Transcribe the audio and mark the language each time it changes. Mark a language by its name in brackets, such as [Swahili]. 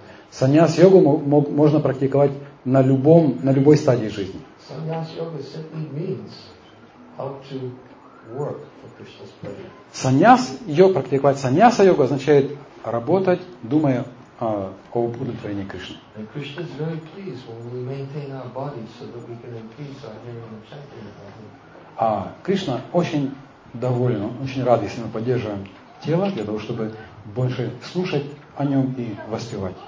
[Russian] Саньяс-йогу можно практиковать на любой стадии жизни. [English] Sannyas yoga simply means how to work for Krishna's pleasure. [Russian] Sannyas yoga, практиковать саньяса йогу означает работать, думая о удовлетворении Кришны. [English] And Krishna is very pleased when we maintain our bodies so that we can increase our hearing and chanting about Him. [Russian] А Кришна очень доволен, он очень рад, если мы поддерживаем тело для того, чтобы больше слушать о нем и воспевать